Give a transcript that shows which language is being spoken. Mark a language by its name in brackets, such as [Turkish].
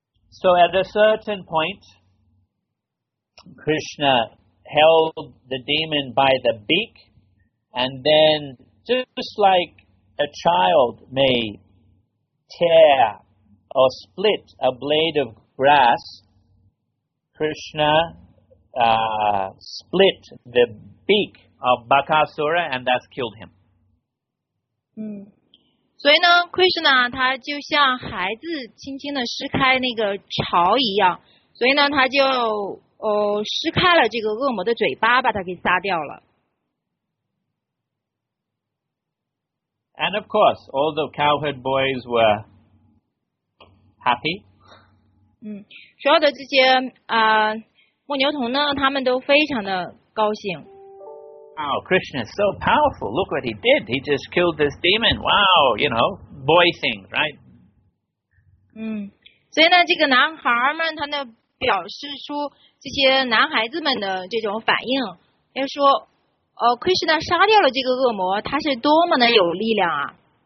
[English] So at a certain point, Krishna held the demon by the beak, and then just like a child may tear or split a blade of grass. Krishna split the beak of Bakasura and thus killed him. [Chinese] 所以呢 ，Krishna 他就像孩子轻轻的撕开那个巢一样，所以呢，他就撕开了这个恶魔的嘴巴，把他给杀掉了。 [English] And of course, all the cowherd boys were happy. [Chinese] 所有的这些牧牛童呢，他们都非常的高兴。 [English] Wow, Krishna is so powerful. Look what he did. He just killed this demon. Wow, you know, boy thing, right? [Chinese] 所以呢，这个男孩们他呢表示出这些男孩子们的这种反应，要说，Krishna 杀掉了这个恶魔，他是多么的有力量啊！